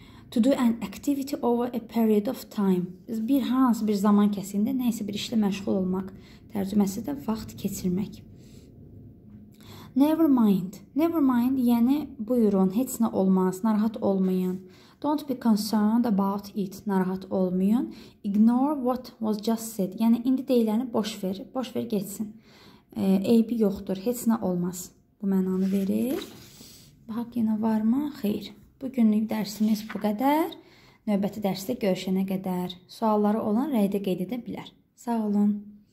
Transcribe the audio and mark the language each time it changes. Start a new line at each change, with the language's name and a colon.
English: To do an activity over a period of time.
Azerbaijani: Biz bir hansı bir zaman kəsində nəyisə bir işlə məşğul olmaq. Tərcüməsi də vaxt keçirmək.
English: Never mind. Never mind,
Azerbaijani: yəni buyurun, heç nə olmaz, narahat olmayın.
English: Don't be concerned about it.
Azerbaijani: Narahat olmayın.
English: Ignore what was just said.
Azerbaijani: Yəni indi deyiləni boş ver, boş ver geçsin. Eybi yoxdur, heç nə olmaz. Bu mənanı verir. Baxaq yenə var mı? Xeyr. Bugünlük dərsimiz bu qədər. Növbəti dərsdə görüşənə qədər. Sualları olan rəydə qeyd edə bilər. Sağ olun.